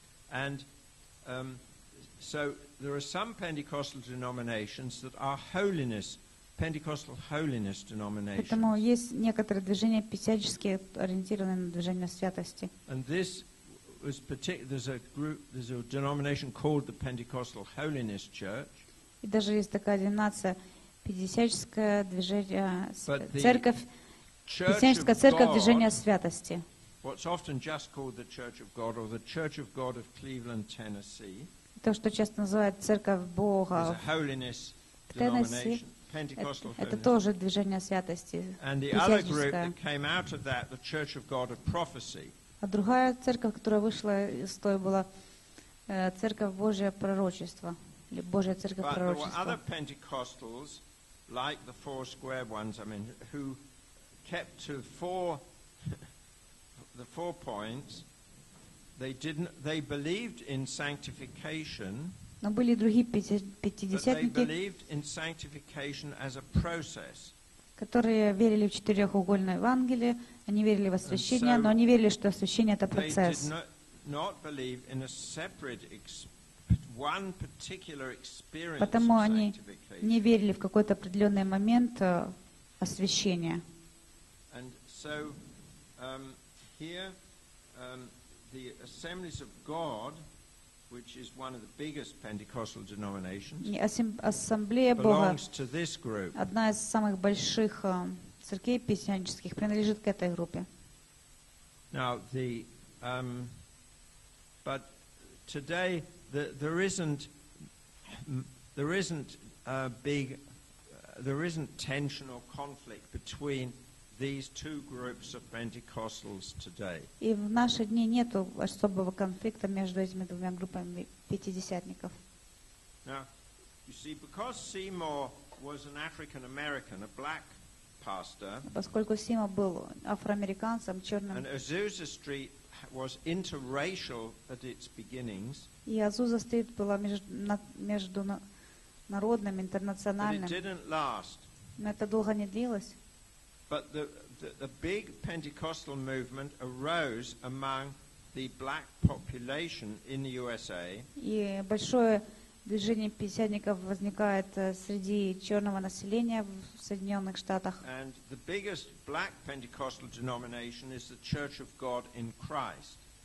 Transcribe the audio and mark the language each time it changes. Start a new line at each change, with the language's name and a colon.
English: And so there are some Pentecostal denominations that are holiness, Pentecostal holiness denominations.
Russian: Поэтому есть некоторые движения пятидесятнически ориентированные на движение святости.
English: And this was there's a group, there's a denomination called the Pentecostal Holiness Church.
Russian: И даже есть такая деноминация пятидесятническое движение церковь, пятидесятническая церковь движения святости.
English: What's often just called the Church of God or the Church of God of Cleveland, Tennessee.
Russian: То, что часто называют Церковь Бога в Теннесси, это тоже движение святости.
English: And the other group that came out of that, the Church of God of Prophecy.
Russian: А другая церковь, которая вышла из той, была Церковь Божия Пророчества или Божья Церковь Пророчества.
English: But there were other Pentecostals, like the four square ones, I mean, who kept to four the four points. They believed in sanctification.
Russian: Но были другие пятидесятники,
English: they believed in sanctification as a process.
Russian: Которые верили в четырехугольное Евангелие, они верили в освящение, но они верили, что освящение это процесс.
English: They did not believe in a separate one particular experience.
Russian: Потому они не верили в какой-то определенный момент освящения.
English: And so here the Assemblies of God, which is one of the biggest Pentecostal denominations,
Russian: Ассамблея Бога,
English: belongs to this group.
Russian: Одна из самых больших церквей пятидесятнических принадлежит к этой группе.
English: Now the but today there isn't tension or conflict between these two groups of Pentecostals today.
Russian: И в наши дни нету особого конфликта между этими двумя группами пятидесятников.
English: Now, you see, because Seymour was an African American, a black pastor.
Russian: Поскольку Сима был афроамериканцем, черным.
English: And Azusa Street was interracial at its beginnings.
Russian: И Азуза Стрит была международным, интернациональным.
English: But it didn't last.
Russian: Но это долго не длилось.
English: But the big Pentecostal movement arose among the black population in the USA.
Russian: И большое движение пятидесятников возникает среди черного населения в Соединенных Штатах.
English: And the biggest black Pentecostal denomination is the Church of God in Christ.